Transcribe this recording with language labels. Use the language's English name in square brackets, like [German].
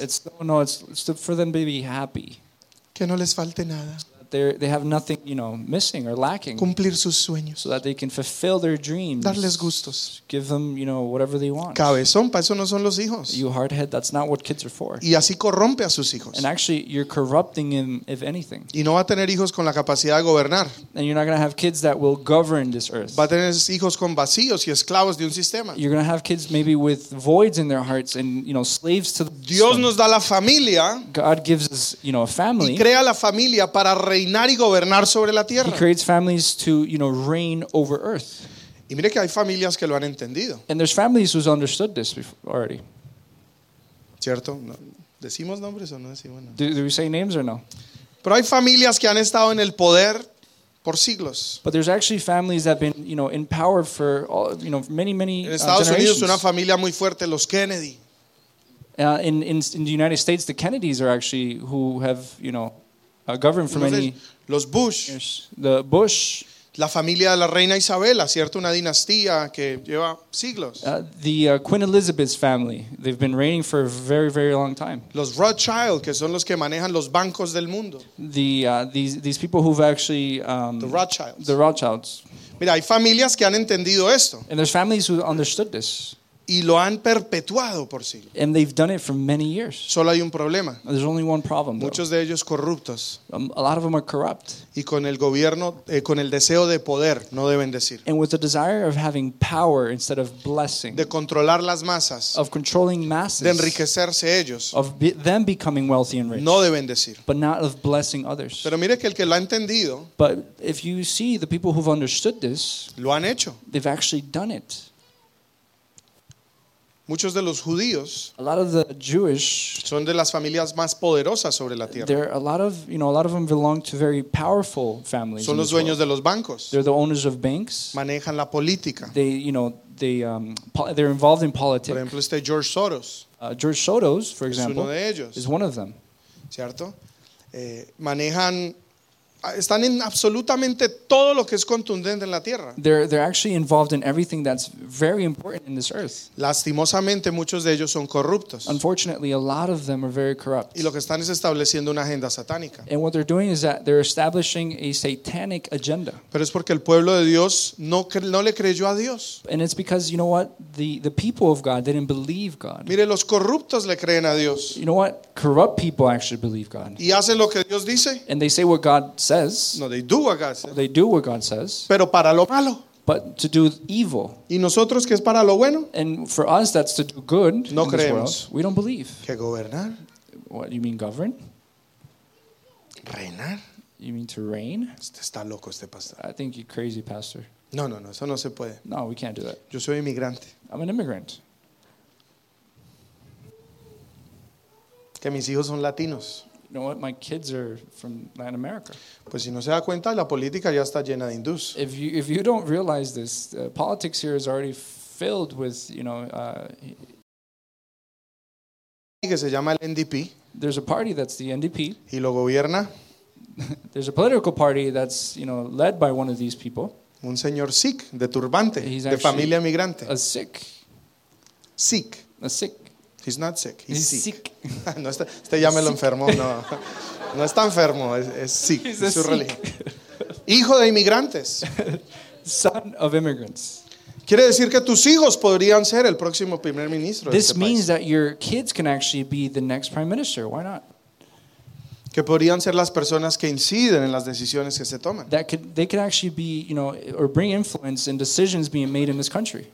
[English] It's it's for them to be happy. [Spanish] Que no les falte nada. [English] They have nothing, you know, missing or lacking. [Spanish] Cumplir sus sueños. [English] So that they can fulfill their dreams. [Spanish] Darles gustos. [English] Give them, you know, whatever they want. [Spanish] Cabezón, para eso no son los hijos. [English] You hardhead, that's not what kids are for. [Spanish] Y así corrompe a sus hijos. [English] And actually, you're corrupting him, if anything. [Spanish] Y no va a tener hijos con la capacidad de gobernar. [English] And you're not going to have kids that will govern this earth. [Spanish] Va a tener hijos con vacíos y esclavos de un sistema. [English] You're going to have kids maybe with voids in their hearts and, you know, slaves to the [Spanish] system. Dios nos da la familia. [English] God gives us, you know, a family. [Spanish] Y crea la familia para reinar y gobernar sobre la tierra. [English] He creates families to, you know, reign over earth. [Spanish] Y mire que hay familias que lo han entendido. [English] And there's families who've understood this before, already. [Spanish] ¿Cierto? No. ¿Decimos nombres o no decimos [English] nombres? Do we say names or no? [Spanish] Pero hay familias que han estado en el poder por siglos. [English] But there's actually families that have been, you know, in power for all, you know, many generations. [Spanish] En Estados Unidos una familia muy fuerte, los Kennedy. [English] In the United States, the Kennedys are actually who have, you know, governed for many [Spanish] los Bush. [English] The Bush. [Spanish] La familia de la reina Isabela, ¿cierto? Una dinastía que lleva siglos. [English] Queen Elizabeth's family. They've been reigning for a very, very long time. [Spanish] Los Rothschild, que son los que manejan los bancos del mundo. [English] These people who've actually... The Rothschilds. The Rothschilds. [Spanish] Mira, hay familias que han entendido esto. [English] And there's families who understood this. [Spanish] Y lo han perpetuado por siglos. [English] And they've done it for many years. [Spanish] Solo hay un problema. [English] There's only one problem, [Spanish] muchos [English] though. [Spanish] De ellos corruptos. [English] A lot of them are corrupt. [Spanish] Y con el gobierno, con el deseo de poder, no deben decir. [English] And with the desire of having power instead of blessing. [Spanish] De controlar las masas. [English] Of controlling masses. [Spanish] De enriquecerse ellos. [English] Of them becoming wealthy and rich. [Spanish] No deben decir. [English] But not of blessing others. [Spanish] Pero mire que el que lo ha entendido. [English] But if you see the people who've understood this. [Spanish] Lo han hecho. [English] They've actually done it. [Spanish] Muchos de los judíos, [English] a lot of the Jewish, [Spanish] son de las familias más poderosas sobre la tierra. [English] There are a lot of, you know, a lot of them belong to very powerful families. [Spanish] Son los dueños de los bancos. [English] They're the owners of banks. [Spanish] Manejan la política. [English] They, you know, they're involved in politics. [Spanish] Por ejemplo, este George Soros. [English] George Soros, for example, [Spanish] es uno de ellos. [English] Is one of them. [Spanish] ¿Cierto? Manejan, están en absolutamente todo lo que es contundente en la tierra. [English] They're actually involved in everything that's very important in this earth. [Spanish] Lastimosamente, muchos de ellos son corruptos. [English] Unfortunately, a lot of them are very corrupt. [Spanish] Y lo que están es estableciendo una agenda satánica. [English] And what they're doing is that they're establishing a satanic agenda. [Spanish] Pero es porque el pueblo de Dios no le creyó a Dios. [English] And it's because, you know what, the people of God didn't believe God. [Spanish] Mire, los corruptos le creen a Dios. [English] You know what, corrupt people actually believe God. [Spanish] Y hacen lo que Dios dice. [English] And they say what God says. No, they do what God says. They do what God says. [Spanish] Pero para lo malo. [English] But to do evil. [Spanish] Y nosotros, que es para lo bueno. [English] And for us, that's to do good. [Spanish] No [English] in [Spanish] creemos. [English] This world, we don't believe. [Spanish] Que gobernar. [English] What do you mean govern? [Spanish] Reinar. [English] You mean to reign? [Spanish] Está loco este pastor. [English] I think you're crazy, pastor. [Spanish] No, no, no, eso no se puede. [English] No, we can't do that. [Spanish] Yo soy inmigrante. [English] I'm an immigrant. [Spanish] Que mis hijos son latinos. [English] You know what? My kids are from Latin America. [Spanish] Pues si no se da cuenta, la política ya está llena de hindús. [English] If you don't realize this, politics here is already filled with, you know, [Spanish] que se llama el NDP. [English] There's a party that's the NDP. [Spanish] Y lo gobierna. [English] There's a political party that's, you know, led by one of these people. [Spanish] Un señor Sikh de turbante, de familia migrante. [English] A Sikh. Sikh. A Sikh. He's not sick. He's sick. [Spanish] Sikh. No está, usted ya me lo enfermó. No, no está enfermo. Es Sikh. [English] He's a [Spanish] su [English] Sikh. [Spanish] Religión. Hijo de inmigrantes. [English] Son of immigrants. [Spanish] Quiere decir que tus hijos podrían ser el próximo primer ministro. [English] This [Spanish] de este [English] means That your kids can actually be the next prime minister. Why not? [Spanish] Que podrían ser las personas que inciden en las decisiones que se toman. [English] That could, they could actually be, you know, or bring influence in decisions being made in this country.